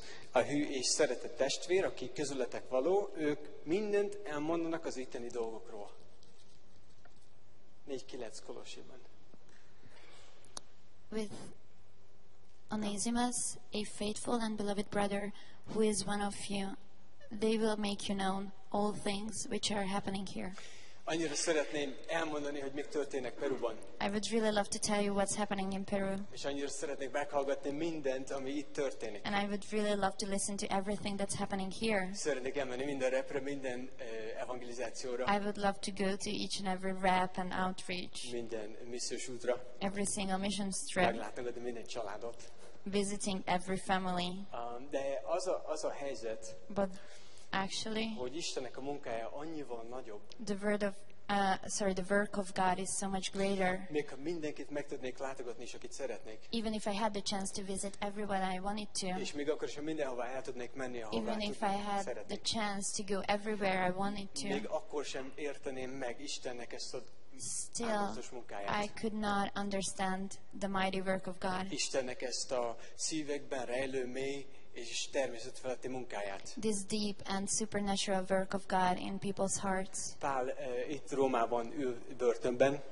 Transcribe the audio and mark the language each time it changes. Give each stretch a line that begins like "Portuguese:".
Hungarian: A hű és szeretett testvér, aki közületek való, ők mindent elmondanak az itteni dolgokról. 4-9 Kolossiban.
English: With Onesimus, a faithful and beloved brother, who is one of you, they will make you known all things which are happening here.
Hungarian: Annyira szeretném elmondani, hogy mik történnek Peruban.
English: I would really love to tell you what's happening in Peru.
Hungarian: És annyira szeretnék meghallgatni mindent, ami itt történik.
English: And I would really love to listen to everything that's happening here.
Hungarian: Szeretnék elmenni minden repre, minden evangelizációra.
English: I would love to go to each and every rep and outreach.
Hungarian: Minden missziós útra.
English: Every single mission trip.
Hungarian: Meglátogatni minden családot.
English: Visiting every family.
Hungarian: De az a helyzet.
English: But actually,
Hungarian: hogy Istennek a munkája annyival nagyobb.
English: The work of God is so much greater.
Hungarian: Még ha mindenkit meg tudnék látogatni, és akit szeretnék.
English: Even if I had the chance to visit everyone I wanted to.
Hungarian: És még akkor sem mindenhova el tudnék menni, ahová szeretnék.
English: Even if I had the chance to go everywhere I wanted to.
Hungarian: Még akkor sem érteném meg Istennek ezt a
English: Still, I could not understand the mighty work of God.
Hungarian: Istennek ezt a szívekben rejlő mély és természet feletti munkáját.
English: This deep and supernatural work of God in people's hearts.
Hungarian: Pál itt Rómában ül börtönben.